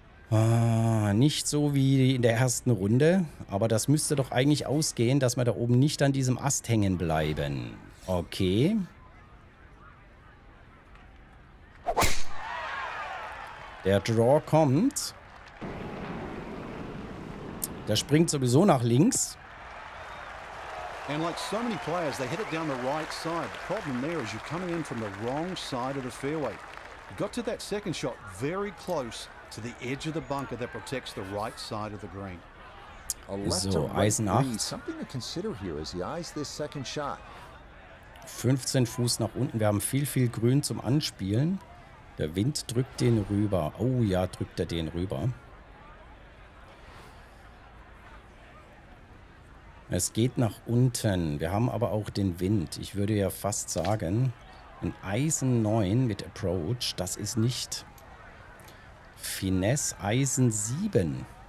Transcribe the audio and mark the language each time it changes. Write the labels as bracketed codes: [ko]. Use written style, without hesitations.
[de] Ah, nicht so wie in der ersten Runde. Aber das müsste doch eigentlich ausgehen, dass wir da oben nicht an diesem Ast hängen bleiben. Okay. Der Draw kommt. Der springt sowieso nach links. [en] And like so many players, they hit it down the right side. The problem there is you're coming in from the wrong side of the fairway. You got to that second shot very close to the edge of the bunker that protects the right side of the green. [de] A left so, Eisen 8. [en] Something to consider here as he eyes this second shot. [de] 15 Fuß nach unten. Wir haben viel, viel Grün zum Anspielen. Der Wind drückt den rüber. Oh ja, drückt er den rüber. Es geht nach unten. Wir haben aber auch den Wind. Ich würde ja fast sagen, ein Eisen 9 mit Approach, das ist nicht Finesse Eisen 7.